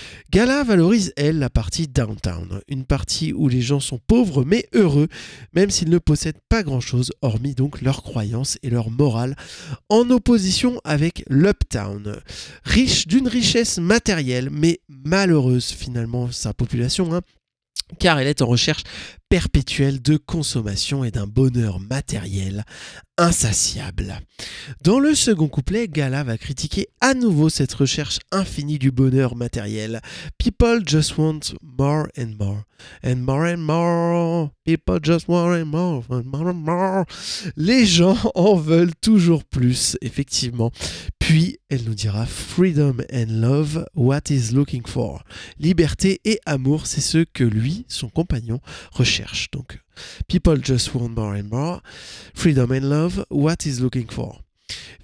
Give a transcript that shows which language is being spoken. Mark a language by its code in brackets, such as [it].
[fr] Gala valorise, elle, la partie downtown, une partie où les gens sont pauvres mais heureux, même s'ils ne possèdent pas grand-chose, hormis donc leurs croyances et leur morale, en opposition avec l'uptown, riche d'une richesse matérielle, mais malheureuse finalement sa population, hein. Car elle est en recherche perpétuelle de consommation et d'un bonheur matériel insatiable. Dans le second couplet, Gala va critiquer à nouveau cette recherche infinie du bonheur matériel. [en] People just want more and more. And more and more. People just want more and more. And more and more. [fr] Les gens en veulent toujours plus, effectivement. Puis, elle nous dira « [en] Freedom and love, what is looking for ?» [fr] Liberté et amour, c'est ce que lui, son compagnon, recherche. Donc, [en] « People just want more and more, freedom and love, what is looking for ?»